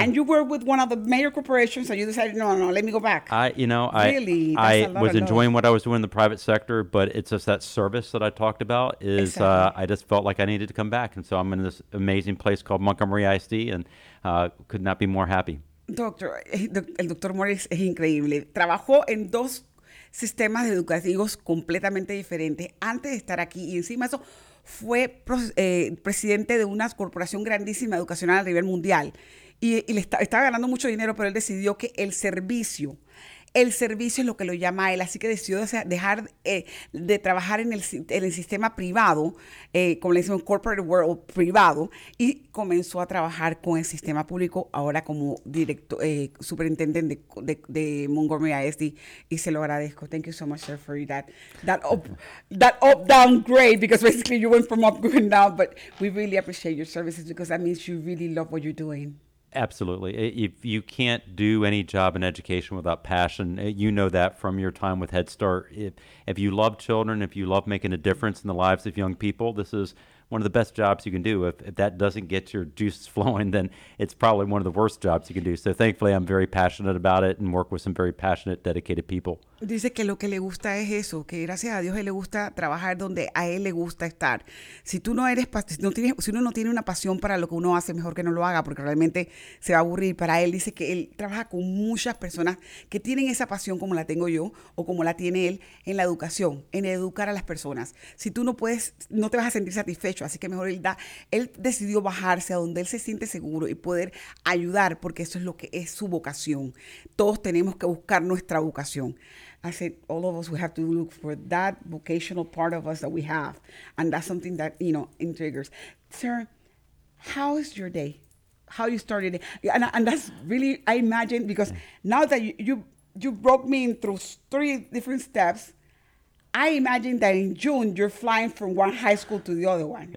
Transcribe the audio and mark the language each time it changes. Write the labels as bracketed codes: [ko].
[en] And you were with one of the major corporations, and so you decided, no, let me go back. I was enjoying what I was doing in the private sector, but it's just that service that I talked about is exactly. I just felt like I needed to come back. And so I'm in this amazing place called Montgomery ISD, and could not be more happy. [es] Doctor, el doctor Morris es increíble. Trabajó en dos sistemas educativos completamente diferentes antes de estar aquí. Y encima de eso, fue presidente de una corporación grandísima educacional a nivel mundial. Y estaba ganando mucho dinero, pero él decidió que el servicio, el servicio es lo que lo llama él. Así que decidió dejar de trabajar en el sistema privado, como le decimos, [en] corporate world [es] privado, y comenzó a trabajar con el sistema público, ahora como director, superintendente de Montgomery ISD, y se lo agradezco. [en] Thank you so much, sir, for that downgrade, because basically you went from up going down, but we really appreciate your services because that means you really love what you're doing. Absolutely. If you can't do any job in education without passion, you know that from your time with Head Start. If you love children, if you love making a difference in the lives of young people, this is one of the best jobs you can do. If that doesn't get your juices flowing, then it's probably one of the worst jobs you can do. So thankfully, I'm very passionate about it and work with some very passionate, dedicated people. [es] Dice que lo que le gusta es eso, que gracias a Dios él le gusta trabajar donde a él le gusta estar. Si tú no eres, si uno no tiene una pasión para lo que uno hace, mejor que no lo haga, porque realmente se va a aburrir. Para él, dice que él trabaja con muchas personas que tienen esa pasión como la tengo yo o como la tiene él en la educación, en educar a las personas. Si tú no puedes, no te vas a sentir satisfecho, así que mejor él decidió bajarse a donde él se siente seguro y poder ayudar, porque eso es lo que es su vocación. Todos tenemos que buscar nuestra vocación. [en] I said, all of us, we have to look for that vocational part of us that we have. And that's something that, you know, intrigues. Sir, how is your day? How you started it? And that's really, I imagine, because now that you broke me in through three different steps, I imagine that in June, you're flying from one high school to the other one.